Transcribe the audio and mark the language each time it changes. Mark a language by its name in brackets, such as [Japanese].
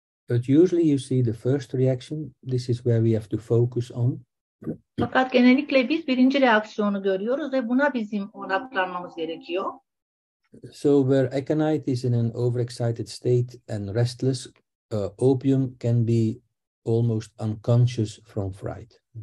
[English] But usually you see the first reaction, this is where we have to focus on. [Turkish] Fakat genellikle biz birinci reaksiyonu görüyoruz ve buna bizim odaklanmamız gerekiyor. [English] So where aconite is in an overexcited state and restless, opium can be almost unconscious from fright.